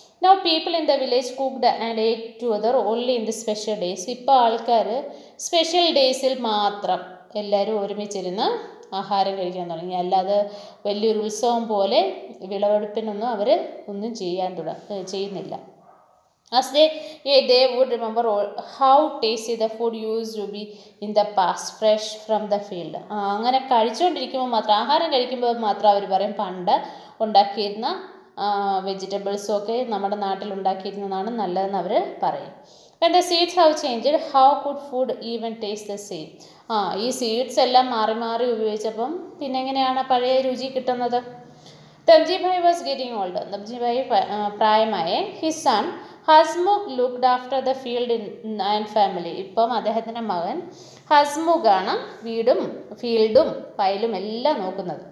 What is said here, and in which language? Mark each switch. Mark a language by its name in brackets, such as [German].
[English] No people in the village cooked and ate together only in the special days. [Malayalam] ഇപ്പോൾ ആൾക്കാർ special ഡേയ്സിൽ മാത്രം എല്ലാവരും ഒരുമിച്ചിരുന്ന് ആഹാരം കഴിക്കാൻ തുടങ്ങി. അല്ലാതെ വലിയൊരു ഉത്സവം പോലെ വിളവെടുപ്പിനൊന്നും അവർ ഒന്നും ചെയ്യാൻ ചെയ്യുന്നില്ല. [English] As they would remember how tasty the food used to be in the past, fresh from the field. [Malayalam] അങ്ങനെ കഴിച്ചുകൊണ്ടിരിക്കുമ്പോൾ മാത്രം, ആഹാരം കഴിക്കുമ്പോൾ മാത്രം അവർ പറയും പണ്ട് ഉണ്ടാക്കിയിരുന്ന വെജിറ്റബിൾസും ഒക്കെ നമ്മുടെ നാട്ടിൽ ഉണ്ടാക്കിയിരുന്നതാണ് നല്ലതെന്ന് അവർ പറയും. [English] And the seeds have changed. How could food even taste the same? [Malayalam] ഈ സീഡ്സ് എല്ലാം മാറി മാറി ഉപയോഗിച്ചപ്പം പിന്നെങ്ങനെയാണ് പഴയ രുചി കിട്ടുന്നത്? [English] Tamjibhai was getting old. Tamjibhai [Malayalam] പ്രായമായ [English] His son Hasmukh looked after the field in and family. [Malayalam] ഇപ്പം അദ്ദേഹത്തിൻ്റെ മകൻ ഹസ്മുഖാണ് വീടും ഫീൽഡും വയലും എല്ലാം നോക്കുന്നത്.